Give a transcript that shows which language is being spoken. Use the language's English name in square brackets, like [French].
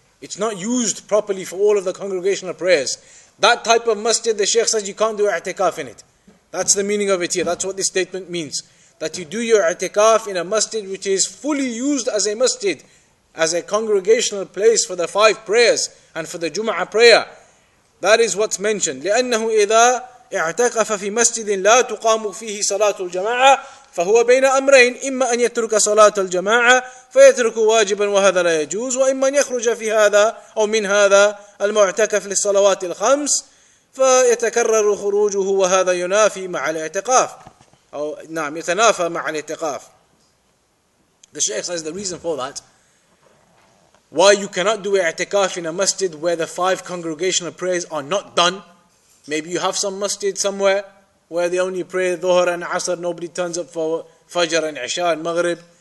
[English] It's not used properly for all of the congregational prayers. That type of masjid, the Shaykh says, you can't do i'tikaf in it. That's the meaning of it here. That's what this statement means. That you do your i'tikaf in a masjid which is fully used as a masjid, as a congregational place for the five prayers and for the Jumu'ah prayer. That is what's mentioned. [Arabic] لأنه إذا اعتكف في مسجد لا تقام فيه صلاة الجماعة فهو بين أمرين إما أن يترك صلاة الجماعة فيترك واجبا وهذا لا يجوز وإما أن يخرج في هذا أو من هذا المعتكف للصلوات الخمس فيتكرر خروجه وهذا ينافي مع الاعتكاف أو نعم يتنافى مع الاعتكاف. [English] The Shaykh says the reason for that, why you cannot do i'tikaf in a masjid where the five congregational prayers are not done. Maybe you have some masjid somewhere where they only pray Dhuhr and Asr, nobody turns up for Fajr and Isha and Maghrib.